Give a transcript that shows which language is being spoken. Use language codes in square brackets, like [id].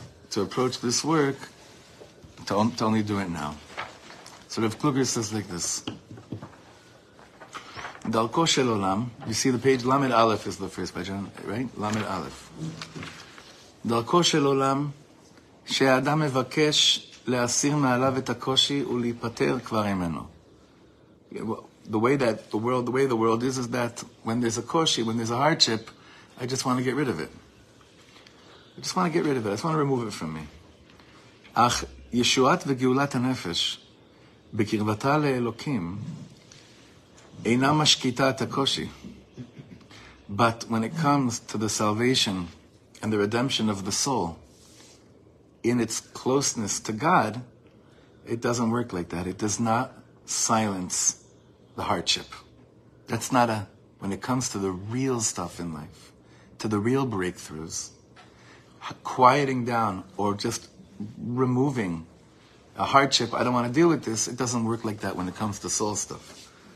[en] To approach this work, to only do it now. So Rav Kluger says like this. [he] Dalko shel olam, [en] you see the page, Lamed Aleph is the first page, right? Lamed Aleph. [he] Dalko shel olam, she'adam mevakesh להסיר מעליו את הקושי ולהיפטר כבר ממנו. [en] The way the world is that when there's a koshi, when there's a hardship, I just want to get rid of it. I just want to get rid of it. I just want to remove it from me. [he] אך ישועת וגאולת הנפש בקרבתה לאלוקים אינה משקיטה את הקושי. [en] But when it comes to the salvation and the redemption of the soul, in its closeness to God, it doesn't work like that. It does not silence the hardship. That's not a, when it comes to the real stuff in life, to the real breakthroughs, quieting down or just removing a hardship, I don't want to deal with this, it doesn't work like that when it comes to soul stuff.